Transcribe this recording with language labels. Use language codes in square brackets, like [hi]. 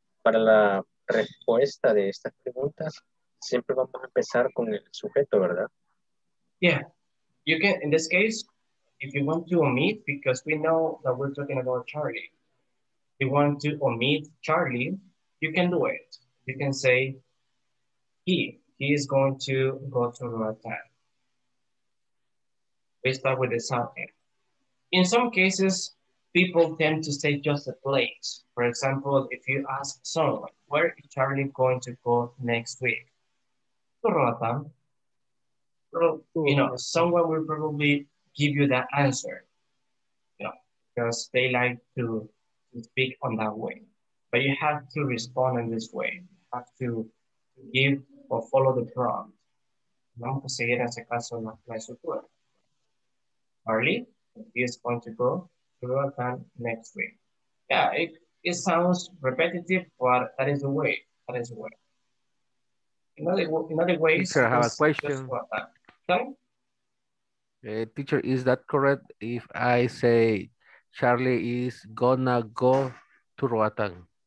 [es] Para la respuesta de estas preguntas, siempre vamos a empezar con el sujeto, ¿verdad? [en] Yeah. You can, in this case, if you want to omit, because we know that we're talking about Charlie, if you want to omit Charlie, you can do it. You can say, he is going to go to Roatan. We start with the subject. In some cases, people tend to say just a place. For example, if you ask someone, where is Charlie going to go next week? To Roatan. You know, someone will probably give you that answer, you know, because they like to speak on that way. But you have to respond in this way. You have to give or follow the prompt. [es] Vamos a seguir en ese caso la estructura. [en] Charlie, he is going to go next week. Yeah, it sounds repetitive, but that is the way. That is the way. In other ways, sir, I have a question. Sorry? Teacher, is that correct if I say Charlie is gonna go to Roatan?